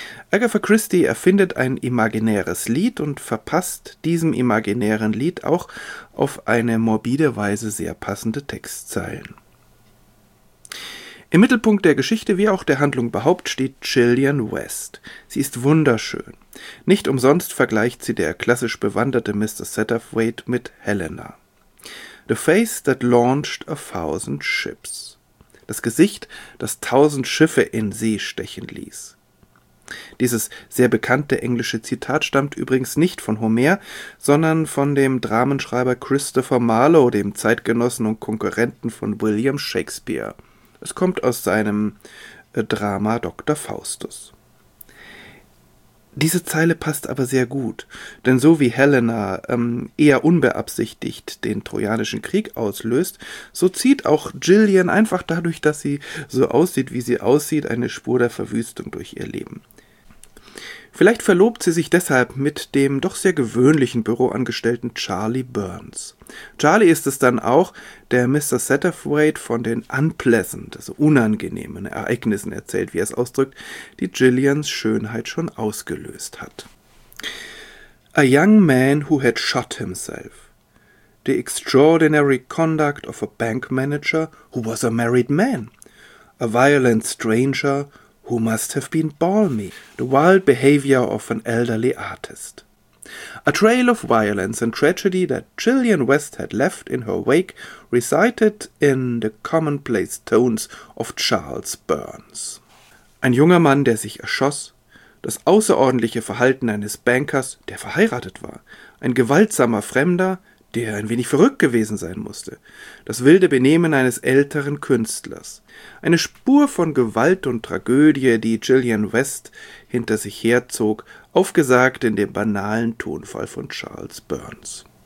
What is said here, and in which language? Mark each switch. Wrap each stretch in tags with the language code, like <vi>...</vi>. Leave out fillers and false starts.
<de>Agatha Christie erfindet ein imaginäres Lied und verpasst diesem imaginären Lied auch auf eine morbide Weise sehr passende Textzeilen. Im Mittelpunkt der Geschichte, wie auch der Handlung überhaupt, steht Gillian West. Sie ist wunderschön. Nicht umsonst vergleicht sie der klassisch bewanderte Mr. Satterthwaite mit Helena.</de> <en>The face that launched a thousand ships.</en> <de>Das Gesicht, das tausend Schiffe in See stechen ließ. Dieses sehr bekannte englische Zitat stammt übrigens nicht von Homer, sondern von dem Dramenschreiber Christopher Marlowe, dem Zeitgenossen und Konkurrenten von William Shakespeare. Es kommt aus seinem Drama Dr. Faustus. Diese Zeile passt aber sehr gut, denn so wie Helena eher unbeabsichtigt den Trojanischen Krieg auslöst, so zieht auch Gillian einfach dadurch, dass sie so aussieht, wie sie aussieht, eine Spur der Verwüstung durch ihr Leben. Vielleicht verlobt sie sich deshalb mit dem doch sehr gewöhnlichen Büroangestellten Charlie Burns. Charlie ist es dann auch, der Mr. Satterthwaite von den unpleasant, also unangenehmen Ereignissen erzählt, wie er es ausdrückt, die Gillians Schönheit schon ausgelöst hat.</de> <en>A young man who had shot himself. The extraordinary conduct of a bank manager who was a married man. A violent stranger Who Must Have Been Balmy, The Wild Behavior of an Elderly Artist. A trail of violence and tragedy that Gillian West had left in her wake recited in the commonplace tones of Charles Burns.</en> <de>Ein junger Mann, der sich erschoss, das außerordentliche Verhalten eines Bankers, der verheiratet war, ein gewaltsamer Fremder, der ein wenig verrückt gewesen sein musste, das wilde Benehmen eines älteren Künstlers. Eine Spur von Gewalt und Tragödie, die Gillian West hinter sich herzog, aufgesagt in dem banalen Tonfall von Charles Burns.</de>